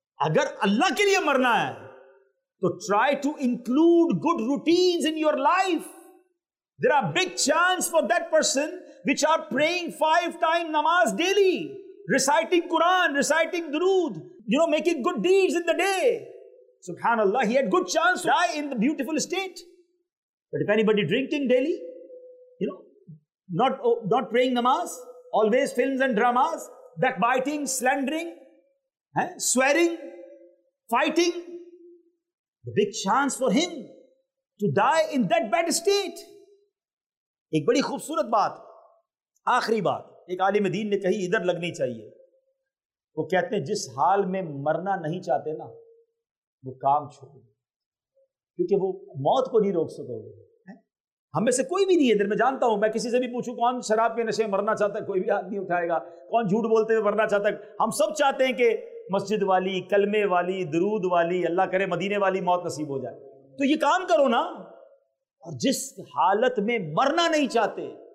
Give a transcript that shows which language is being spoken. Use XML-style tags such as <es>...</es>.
<ur>اگر اللہ کے لیے مرنا ہے تو</ur> <en>Try to include good routines in your life. There are big chance for that person which are praying 5 times namaz daily, reciting Quran, reciting durood, you know, making good deeds in the day. Subhanallah, he had good chance to die in the beautiful state. But if anybody drinking daily, you know, not praying namaz, always films and dramas, backbiting, slandering, swearing, fighting, the big chance for him to die in that bad state.</en> <ur>Ek badi khubsurat baat, آخری بات، ایک عالم دین نے کہی، ادھر لگنی چاہیے، وہ کہتے ہیں جس حال میں مرنا نہیں چاہتے نا، وہ کام چھوڑ دو، کیونکہ وہ موت کو نہیں روک سکو گے۔ ہم میں سے کوئی بھی نہیں ہے، ادھر میں جانتا ہوں، میں کسی سے بھی پوچھوں کون شراب کے نشے میں مرنا چاہتا ہے، کوئی بھی آدمی اٹھائے گا، کون جھوٹ بولتے ہوئے مرنا چاہتا ہے؟ ہم سب چاہتے ہیں کہ مسجد والی، کلمے والی، درود والی، اللہ کرے مدینے والی موت نصیب ہو جائے، تو یہ کام کرو نا۔ اور جس حالت میں مرنا نہیں چاہتے،</ur>